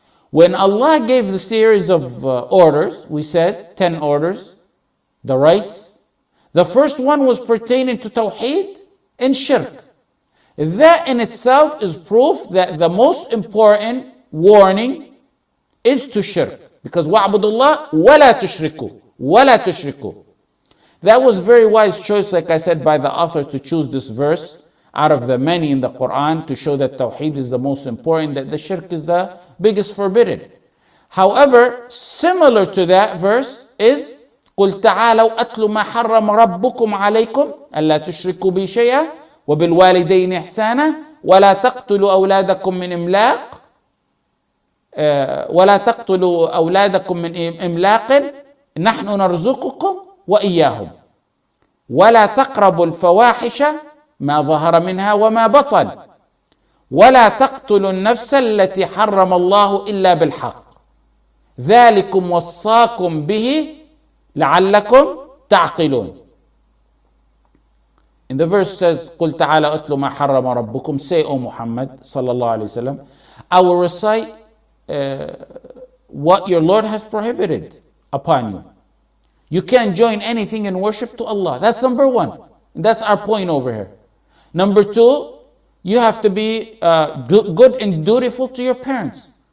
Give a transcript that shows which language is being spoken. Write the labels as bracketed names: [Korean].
[English] When Allah gave the series of orders, we said 10 orders, the rites, the first one was pertaining to tawheed and shirk. That in itself is proof that the most important warning is to shirk. [Arabic] Because وَعْبُدُ اللَّهَ وَلَا تُشْرِكُوا وَلَا تُشْرِكُوا. That was a very wise choice, like I said, by the author to choose this verse out of the many in the Quran to show that Tawheed is the most important, that the shirk is the biggest forbidden. [English] However, similar to that verse is [Arabic] قُلْ تَعَالَوْ أَتْلُ مَا حَرَّمَ رَبُّكُمْ عَلَيْكُمْ أَلَّا تُشْرِكُوا بِهِ شَيْئًا وَبِالْوَالِدَيْنِ إِحْسَانًا وَلَا تَقْتُلُوا أَوْلَادَكُمْ مِنْ إِمْلَاقٍ وَلَا تَقْتُلُوا أَوْلَادَكُمْ مِنْ إِمْلَاقٍ نَحْنُ نَرْزُقُكُمْ وَإِيَّاهُمْ وَلَا تَقْرَبُوا الْفَوَاحِشَ مَا ظَهَرَ مِنْهَا وَمَا بَطَنَ وَلَا تَقْتُلُوا النَّفْسَ الَّتِي حَرَّمَ اللَّهُ إِلَّا بِالْحَقِّ ذَلِكُمْ وَصَّاكُمْ بِهِ لَعَلَّكُمْ تَعْقِلُونَ. [English] In the verse says, [Arabic] قُلْ تَعَالَ أَتْلُ مَا حَرَّمَ رَبُّكُمْ. [English] Say, O Muhammad, [Arabic] صلى الله عليه وسلم, [English] I will recite what your Lord has prohibited upon you. You can't join anything in worship to Allah. That's number one. That's our point over here. Number two, you have to be good and dutiful to your parents.